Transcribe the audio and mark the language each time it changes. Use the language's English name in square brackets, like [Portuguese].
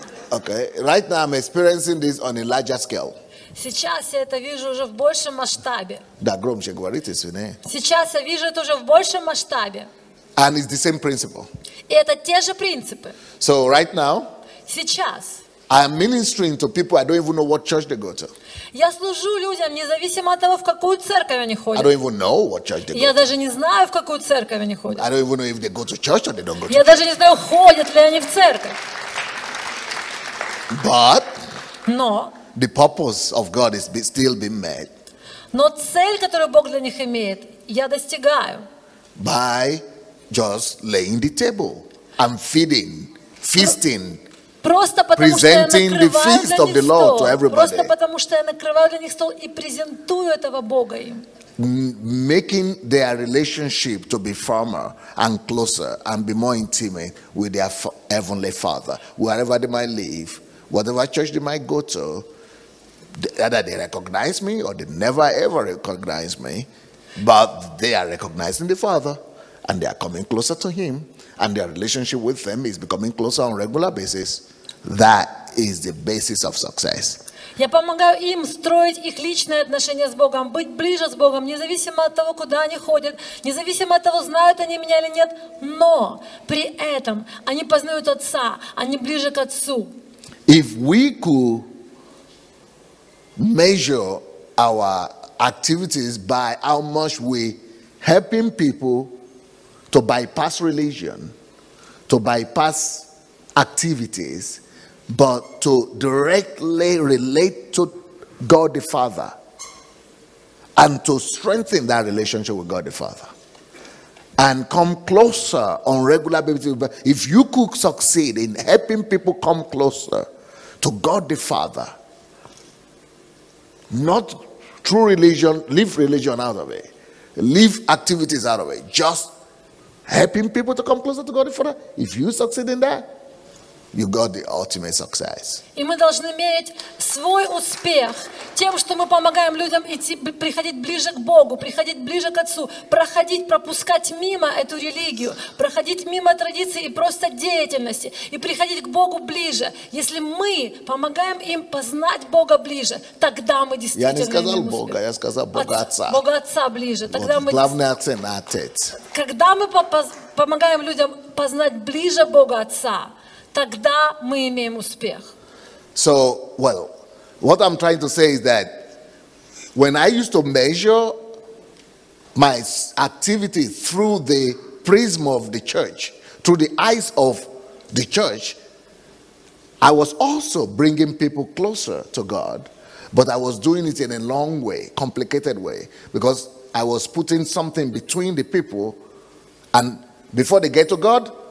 [English] Okay, right now I'm experiencing this on a larger scale. [Russian] Сейчас я это вижу уже в большем масштабе. Да, громче говорите, свиней. Сейчас я вижу это уже в большем масштабе. [English] And it's the same principle. [Russian] И это те же принципы. [English] So right now, [Russian] сейчас, [English] I'm ministering to people I don't even know what church they go to. [Russian] Я служу людям, независимо от того, в какую церковь они ходят. [English] I don't even know what church they go to. [Russian] Я даже не знаю, в какую церковь они ходят. [English] I don't even know if they go to church or they don't go to church. [Russian] Я даже не знаю, ходят ли они в церковь. [English] But no. The purpose of God is still being met. [Russian] Но цель, которую Бог для них имеет, я достигаю. [English] By just laying the table. I'm feeding, feasting. [Russian] Просто потому, [English] presenting [Russian] что я накрываю [English] the feast [Russian] для них [English] of the Lord [Russian] стол. [English] To everybody. [Russian] Просто потому, что я накрываю для них стол и презентую этого Бога им. [English] Making their relationship to be firmer and closer and be more intimate with their heavenly Father. Wherever they might live, whatever church they might go to, either they recognize me or they never ever recognize me, but they are recognizing the Father and they are coming closer to him. And their relationship with them is becoming closer on a regular basis. That is the basis of success. [Russian] Я помогаю им строить их личные отношения с Богом, быть ближе с Богом, независимо от того, куда они ходят, независимо от того, знают они меня или нет. Но при этом они познают Отца, они ближе к Отцу. [English] If we could measure our activities by how much we helping people to bypass religion, to bypass activities, but to directly relate to God the Father and to strengthen that relationship with God the Father and come closer on regular basis. If you could succeed in helping people come closer to God the Father, not true religion, leave religion out of it, leave activities out of it, just helping people to come closer to God the Father, if you succeed in that, you got the ultimate success. [Russian] И мы должны мерить свой успех тем, что мы помогаем людям идти, приходить ближе к Богу, приходить ближе к Отцу, проходить, пропускать мимо эту религию, проходить мимо традиции и просто деятельности, и приходить к Богу ближе. Если мы помогаем им познать Бога ближе, тогда мы действительно имеем успех. Я не сказал Бога, я сказал Бога Отца. Бога Отца ближе. Тогда вот мы главный акцент на Отец. Когда мы помогаем людям познать ближе Бога Отца, тогда мы имеем успех. [English] So, well, what I'm trying to say is that when I used to measure my activity through the prism of the church, through the eyes of the church, I was also bringing people closer to God, but I was doing it in a long way, complicated way, because I was putting something between the people, and before they get to God,